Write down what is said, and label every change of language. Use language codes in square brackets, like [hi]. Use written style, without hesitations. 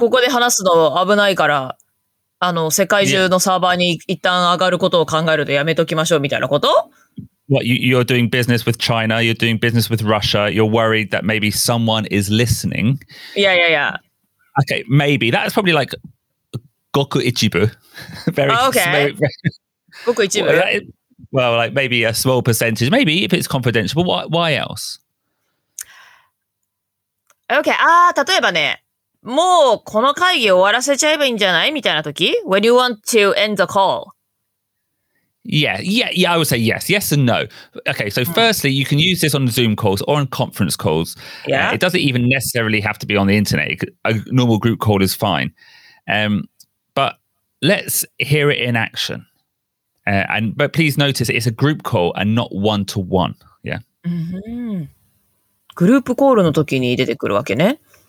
[ja] ここで話すの危ないから、あの、世界中のサーバーに一旦上がることを考えるとやめときましょうみたいなこと [en] What, you're doing business with China, you're doing business with Russia, you're worried that maybe someone is listening. Yeah, yeah, yeah. Okay, maybe. That's probably like goku ichibu. Very small. Okay. Goku ichibu. Well, like maybe a small percentage. Maybe if it's confidential, but why else? [ja] Okay. 例えばね、もうこの会議終わらせちゃえばいいんじゃないみたいな時 [en] When you want to end the call. Yeah, I would say yes. Yes and no. Okay, so firstly, you can use this on Zoom calls or on conference calls. Yeah. It doesn't even necessarily have to be on the internet. A normal group call is fine. But let's hear it in action. But please notice it's a group call and not one-to-one. Yeah. [ja] グループコールの時に出てくるわけね。